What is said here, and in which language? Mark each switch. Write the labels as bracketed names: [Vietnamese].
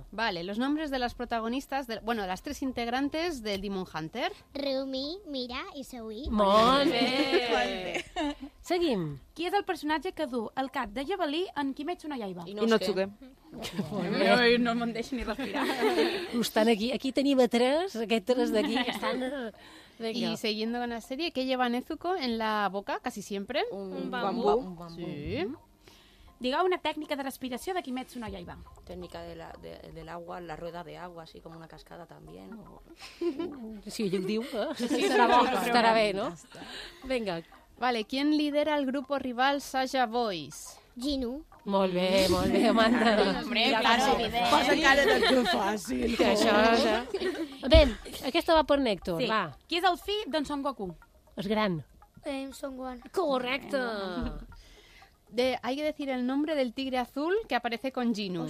[Spanish] Vale, los nombres de las protagonistas, las tres integrantes del Demon Hunter. [Catalan] Ryumi, Mira i Sui. Molt bé. Molt bé. Seguim. Qui és el personatge que du el cap de javelí en Kimetsu no Yaiba? Inosuke. No me'n deixo ni respirar. Estan aquí. Aquí tenim a tres, aquests tres d'aquí. Estan... [Spanish] Venga. Y siguiendo con la serie, ¿qué lleva Nezuko en la boca casi siempre? Un bambú. Sí. Diga una técnica de respiración de Kimetsu no Yaiba. Técnica de del agua, la rueda de agua, así como una cascada también. Sí, yo digo, ¿eh? Sí, sí, estará bien, ¿no? Venga. Vale, ¿quién lidera el grupo rival Sasha Boys? Jinu. [Catalan] Molt bé, Amanda. [Spanish] Hombre, claro, evident. [Catalan] Posa cara de que fàcil. Que això, ja. Bé, aquesta va per Néctor, sí. Va. Qui és el fill d'en Son Goku? És gran. Son Gohan. Correcte. [Spanish] Hay que decir el nombre del tigre azul que aparece con Jinu.